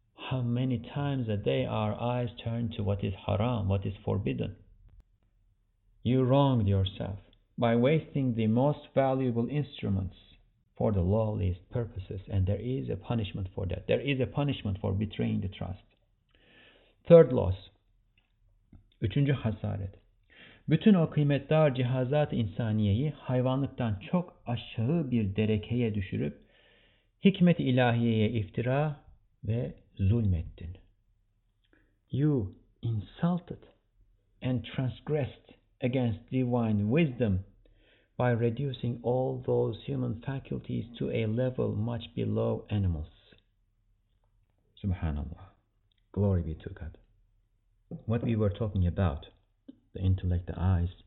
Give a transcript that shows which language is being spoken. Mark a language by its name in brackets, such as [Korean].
[English] How many times a day are eyes turned to what is haram, what is forbidden? You wronged yourself by wasting the most valuable instruments for the lowliest purposes, and there is a punishment for that. There is a punishment for betraying the trust. Third loss. [Turkish] Üçüncü hasaret. Bütün o kıymetdar cihazat insaniyeyi hayvanlıktan çok aşağı bir derekeye düşürüp hikmet-i ilahiyeye iftira ve zulmettin. [English] You insulted and transgressed against divine wisdom by reducing all those human faculties to a level much below animals. Subhanallah. Glory be to God. What we were talking about, the intellect, the eyes,